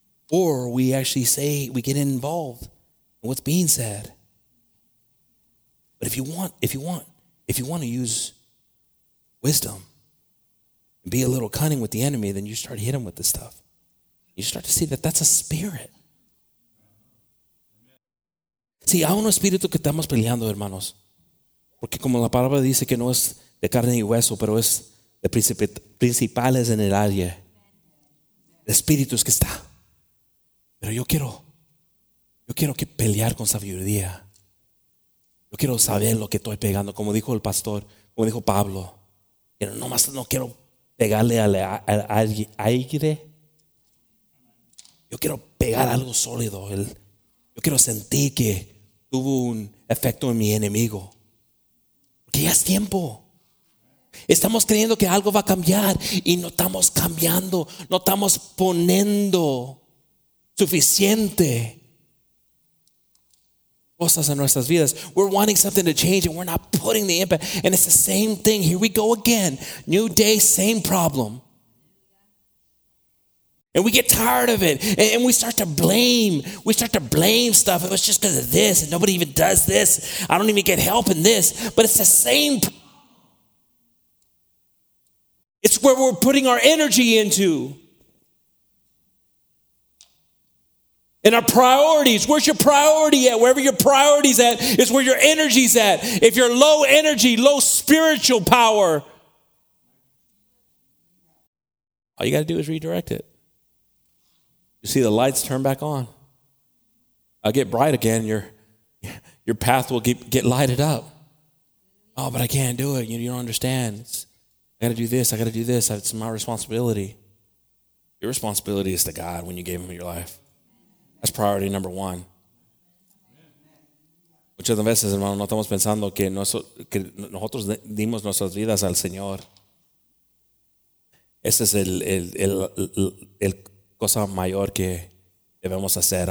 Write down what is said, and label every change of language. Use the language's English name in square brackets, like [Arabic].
[English] Or we actually say, we get involved in what's being said. But if you want to use wisdom and be a little cunning with the enemy, then you start hitting him with this stuff. You start to see that that's a spirit. [Spanish] Sí, hay un espíritu que estamos peleando, hermanos. Porque como la palabra dice que no es de carne y hueso, pero es de principales en el área. El espíritu es que está. Pero yo quiero que pelear con sabiduría. Yo quiero saber lo que estoy pegando. Como dijo el pastor, como dijo Pablo. Pero nomás no quiero pegarle al aire. Yo quiero pegar algo sólido. Yo quiero sentir que tuvo un efecto en mi enemigo. Porque ya es tiempo. Estamos creyendo que algo va a cambiar y no estamos cambiando, no estamos poniendo suficiente cosas en nuestras vidas. [English] We're wanting something to change and we're not putting the impact. And it's the same thing. Here we go again. New day, same problem. And we get tired of it. And we start to blame. We start to blame stuff. It was just because of this. And nobody even does this. I don't even get help in this. But it's the same problem. It's where we're putting our energy into. And our priorities. Where's your priority at? Wherever your priority's at is where your energy's at. If you're low energy, low spiritual power, all you got to do is redirect it. You see the lights turn back on. I'll get bright again. Your path will get lighted up. Oh, but I can't do it. You don't understand. I got to do this. It's my responsibility. Your responsibility is to God when you gave him your life. That's priority number one. [Spanish] Muchas veces, hermano, no estamos pensando que nosotros dimos nuestras vidas al Señor. Ese es el cosa mayor que debemos hacer.